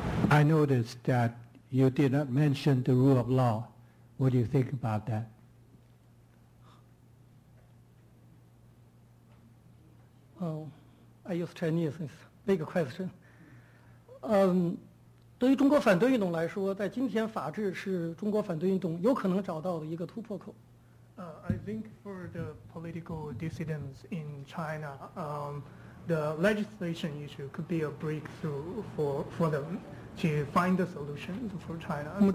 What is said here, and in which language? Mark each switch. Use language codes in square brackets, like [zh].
[en] I noticed that you did not mention the rule of law. What do you think about that? Oh, I use Chinese, it's a big question. [zh] 对于中国反对运动来说,在今天法治是中国反对运动有可能找到的一个突破口。 [en] I think for the political dissidents in China, the legislation issue could be a breakthrough for them to find the solution for China.